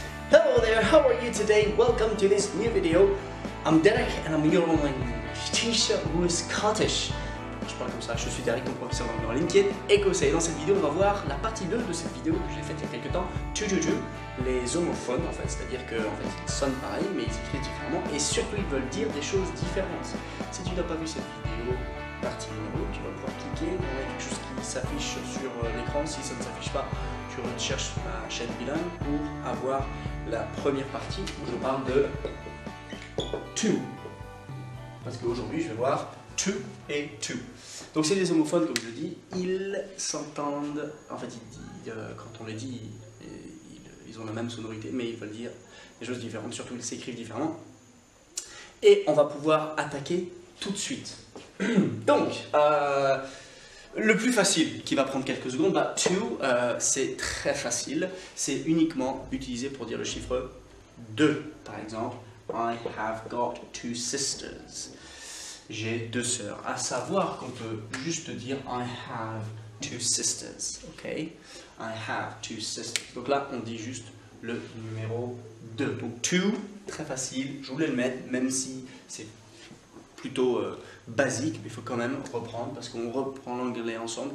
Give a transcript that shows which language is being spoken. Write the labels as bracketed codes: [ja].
[en] Hello there, how are you today? Welcome to this new video. I'm Derek and I'm your online language teacher who is Scottish. [fr] Je parle comme ça, je suis Derek, ton professeur d'anglais en ligne qui est écossais. Dans cette vidéo, on va voir la partie 2 de cette vidéo que j'ai faite il y a quelques temps. Les homophones, en fait, c'est-à-dire qu'en fait, ils sonnent pareil mais ils écrivent différemment et surtout ils veulent dire des choses différentes. Si tu n'as pas vu cette vidéo, partie numéro, tu vas pouvoir cliquer, on a quelque chose qui s'affiche sur l'écran. Si ça ne s'affiche pas, tu recherches ma chaîne bilingue pour avoir la première partie où je parle de to. Parce qu'aujourd'hui, je vais voir to et to. Donc, c'est des homophones, comme je dis, ils s'entendent, en fait, quand on les dit, ils ont la même sonorité, mais ils veulent dire des choses différentes, surtout ils s'écrivent différemment. Et on va pouvoir attaquer tout de suite. Donc, le plus facile, qui va prendre quelques secondes, bah, to, c'est très facile. C'est uniquement utilisé pour dire le chiffre 2. Par exemple, [en] I have got two sisters. [fr] J'ai deux sœurs. À savoir qu'on peut juste dire [en] I have two sisters. [fr] Ok? [en] I have two sisters. [fr] Donc là, on dit juste le numéro 2. Donc to, très facile. Je voulais le mettre, même si c'est plutôt basique, mais il faut quand même reprendre parce qu'on reprend l'anglais ensemble.